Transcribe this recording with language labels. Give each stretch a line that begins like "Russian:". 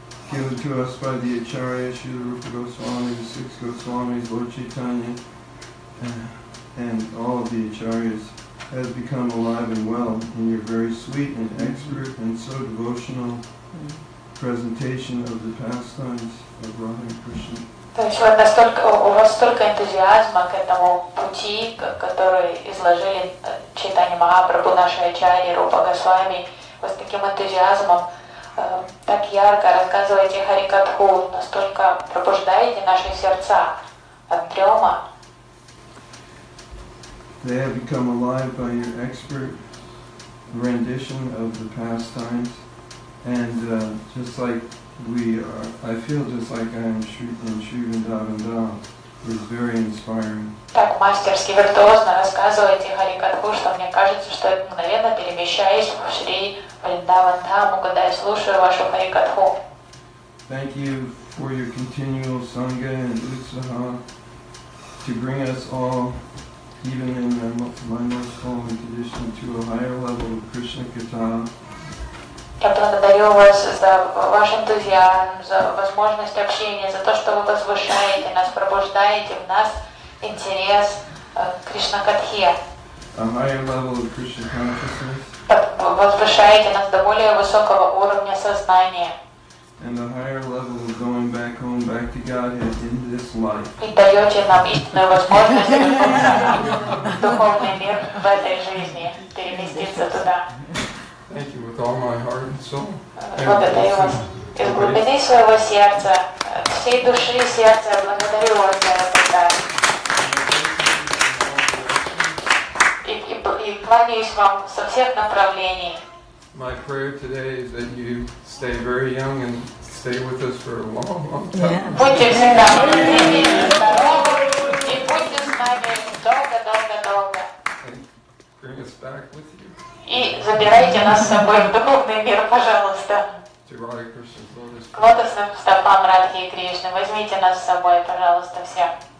English: given to us by the Acharya, Śrīla Rūpa Goswami, the six Goswamis, Lord Chaitanya, and all of the Acharyas, has become alive and well in your very sweet and expert and so devotional presentation of the pastimes of Radha and Krishna.
Ukrainian: Такщо настільки
Russian: у вас столько ентузіазму к этому пути, который изложили Чайтанья Махапрабху,
Ukrainian: наші
Russian: Ачарьи, Рупа Госвами, вы с таким энтузиазмом так ярко рассказываете Харикатху, настолько пробуждаете наши сердца от дрема.
English: They have become alive by your expert rendition of the pastimes, and just like we are, I feel just like I am in Sri Vrindavan Dham. It's very inspiring.
Russian: Так мастерски виртуозно рассказываете Харикатху, что мне кажется, что я мгновенно перемещаюсь в Шри Вриндаван Дхам, когда я слушаю вашу Харикатху.
English: Thank you for your continual sangha and utsaha to bring us all, even in my most fallen condition, to a higher level of Krishna Katha.
Russian: Я благодарю вас за ваш энтузиазм, за возможность общения, за то, что вы возвышаете нас, пробуждаете в нас интерес к Кришна-катхе. Возвышаете нас до более высокого уровня сознания.
English: And the higher level of going back home, back to Godhead in this life.
Russian: И даете нам истинную возможность в духовный мир в этой жизни, перенестись туда.
English: Thank you with all my heart and soul.
Russian: Благодарю вас. Из глубины своего сердца, всей души и сердца, благодарю вас за это. И кланяюсь вам со всех направлений.
English: My prayer today is that you stay very young and stay with us for a long, long time.
Russian: Будьте всегда в жизни и будьте с нами долго-долго-долго.
English: Bring us back with you.
Russian: И забирайте нас с собой в духовный мир, пожалуйста. К лотосным стопам Радхи и Кришны, возьмите нас с собой, пожалуйста, все.